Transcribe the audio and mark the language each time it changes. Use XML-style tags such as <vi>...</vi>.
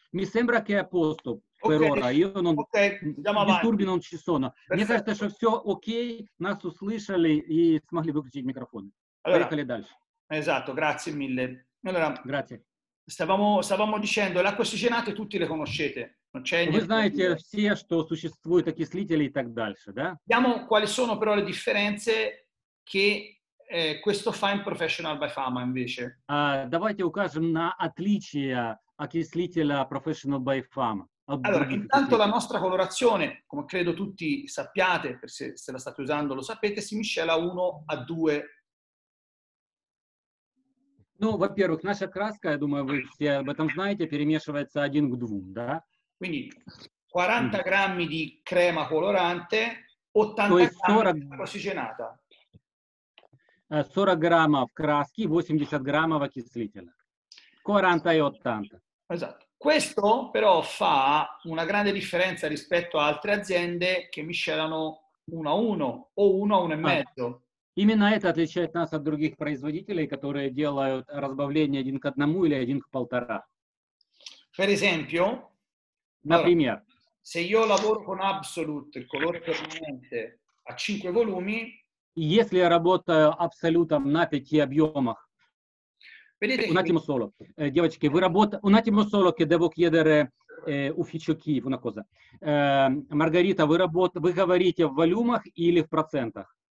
<it>Mi sembra che è posto, però io non ci sono.</it> <ru>Мне кажется, что все окей, нас услышали и смогли выключить микрофон. Allora, поехали дальше.</ru> <it>Esatto, grazie mille. Allora, grazie. Стavamo dicendo, le acque ossigenate tutti le conoscete. Non c'è</it> <ru>Вы знаете все, что существуют окислители и так дальше, да?</ru> <it>Vediamo quali sono però le differenze che questo fa in Professional by Fama invece.</it> <ru>Давайте укажем на отличие окислителя Professional by Fama.</ru> <it>Allora, intanto la nostra colorazione, come credo tutti sappiate, se la state usando lo sapete, si miscela 1:2.</it> <ru>Ну, во-первых, наша краска, я думаю, вы все об этом знаете, перемешивается 1:2, да?</ru> <it>Quindi 40</it> <ru>граммов</ru> <it>di crema colorante, 80 граммов ossigenata.</it> <ru>40 граммов краски, 80 граммов окислителя. 40 и 80.</ru> <it>Esatto. Questo però fa una grande differenza rispetto a altre aziende che miscelano 1:1 o 1:1.5.</it> <ru>Именно это отличает нас от других производителей, которые делают разбавление 1:1 или 1:1.5.</ru> <it>Per esempio,</it> <ru>например,</ru> <it>se io lavoro con Absolute, il colore permanente, a 5 volumi,</it> <ru>если я работаю абсолютом на 5 объемах,</ru> <it>vedete, Unatimo solo,</it> <ru>девочки, вы работаете,</ru> <it>Unatimo solo, che devo chiedere ufficio Kiev, una cosa.</it> <ru>Маргарита, вы говорите в волюмах или в процентах?</ru>